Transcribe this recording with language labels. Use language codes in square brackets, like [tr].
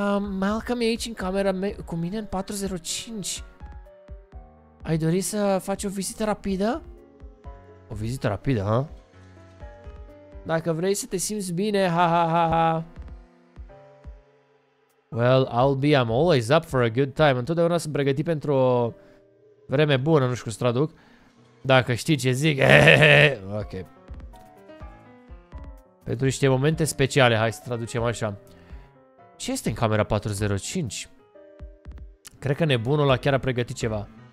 [ro] Malcolm e aici în camera mea, cu mine în 405. Ai dori să faci o vizită rapidă? O vizită rapidă, ha? Dacă vrei să te simți bine, ha. [en] Well, I'm always up for a good time. [ro] Întotdeauna sunt pregătit pentru o vreme bună, nu știu cum să traduc. Dacă știi ce zic, ok. Pentru niște momente speciale, hai să traducem așa. Ce este în camera 405? Cred că nebunul ăla chiar a pregătit ceva.